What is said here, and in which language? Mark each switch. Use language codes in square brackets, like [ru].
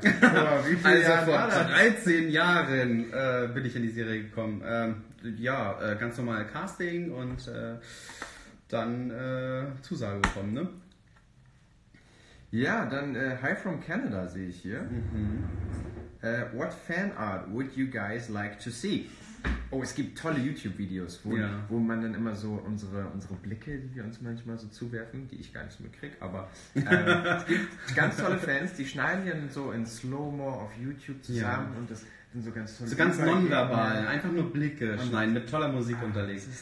[de] Wie viele also Jahre vor 13 Jahren bin ich in die Serie gekommen. Ganz normal Casting und dann Zusage bekommen, ne? Ja, dann [en] Hi from Canada [de] sehe ich hier. Mhm. [en] What fan art would you guys like to see? [de] Oh, es gibt tolle YouTube-Videos, wo man dann immer so unsere Blicke, die wir uns manchmal so zuwerfen, die ich gar nicht mitkriege, aber es gibt ganz tolle Fans, die schneiden dann so in Slow-Mo auf YouTube zusammen und das sind so ganz tolle. So ganz nonverbal, einfach nur Blicke schneiden, mit toller Musik unterlegt.